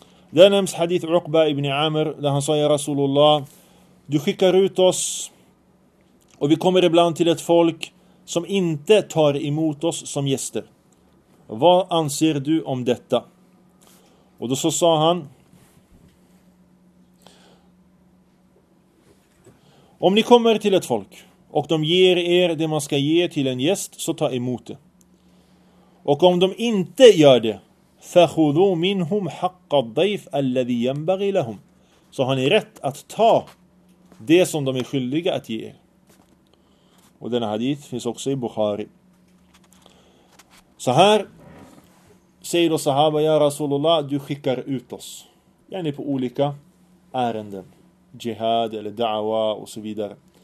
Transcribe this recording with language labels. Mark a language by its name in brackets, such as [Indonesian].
[Swedish] Där nämns hadith Uqba ibn Amr där han sa i Rasulullah: du skickar ut oss och vi kommer ibland till ett folk som inte tar emot oss som gäster. Vad anser du om detta? Och då så sa han: om ni kommer till ett folk och de ger er det man ska ge till en gäst, så ta emot det. Och om de inte gör det, [Arabic] فَخُذُوا مِنْهُمْ حَقَّ الضَّيْفَ أَلَّذِي يَنْبَغِي لَهُمْ. [Swedish] Så har ni rätt att ta det som de är skyldiga att ge. Och denna hadith finns också i Bukhari. Så här säger då sahaba: ja Rasulullah, du skickar ut oss. Gärna på olika ärenden. Jihad eller da'wa och så vidare.